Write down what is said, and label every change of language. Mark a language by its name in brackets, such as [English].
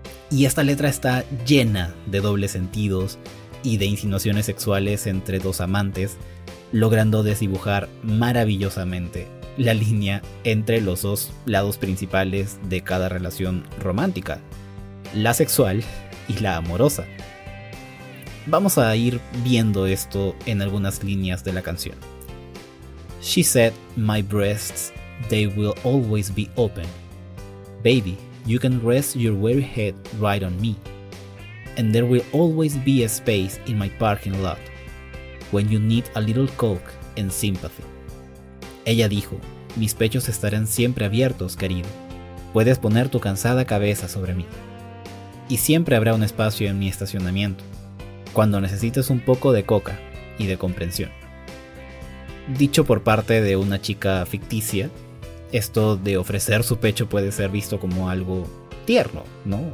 [Spanish] Y esta letra está llena de dobles sentidos y de insinuaciones sexuales entre dos amantes, logrando desdibujar maravillosamente la línea entre los dos lados principales de cada relación romántica: la sexual y la amorosa. Vamos a ir viendo esto en algunas líneas de la canción. [English] She said, my breasts, they will always be open. Baby, you can rest your weary head right on me. And there will always be a space in my parking lot when you need a little coke and sympathy. [Spanish] Ella dijo, mis pechos estarán siempre abiertos, querido. Puedes poner tu cansada cabeza sobre mí. Y siempre habrá un espacio en mi estacionamiento, cuando necesites un poco de coca y de comprensión. Dicho por parte de una chica ficticia, esto de ofrecer su pecho puede ser visto como algo tierno, ¿no?